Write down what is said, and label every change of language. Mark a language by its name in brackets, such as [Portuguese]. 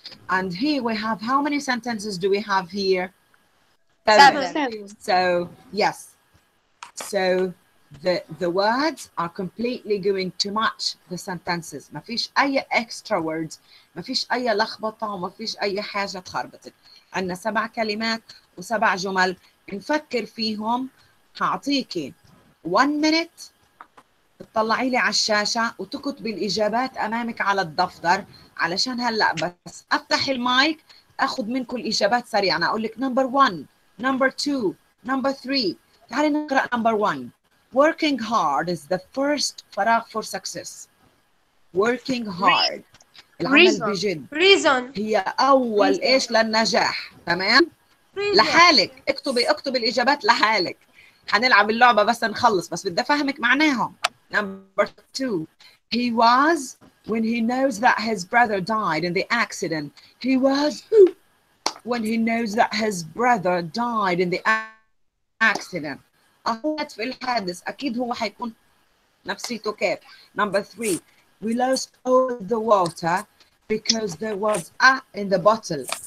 [English] And here we have how many sentences do we have here? Seven. So yes. So the words are completely going to match the sentences. [Arabic] ما فيش أي [English] extra words. [Arabic] ما فيش أي لخبطة وما فيش أي حاجة تخربطك. عندنا سبع كلمات وسبع جمل. نفكر فيهم. هعطيكي [English] one minute. [Arabic] تطلعي لي على الشاشة وتكتبي الإجابات أمامك على الدفتر. علشان هلأ بس أفتح المايك أخذ منكم الإجابات سريعة. أنا أقول لك [English] number one, number two, number three. [Arabic] تعالي نقرأ [English] number one. Working hard is the first [Arabic] فراغ [English] for success. Working hard. Reason. [Arabic] العمل بجد. [English] Reason. [Arabic] هي أول Reason. إيش للنجاح. تمام؟ [English] Reason. [Arabic] لحالك. اكتبي الإجابات لحالك. حنلعب اللعبة بس نخلص. بس بدي أفهمك معناهم. [English] Number two. He was when he knows that his brother died in the accident. He was when he knows that his brother died in the accident. [Arabic] Accident. أخذت في الحادث. أكيد هو حيكون نفسيته كيف. [English] Number three. We lost all the water because there was a in the bottle.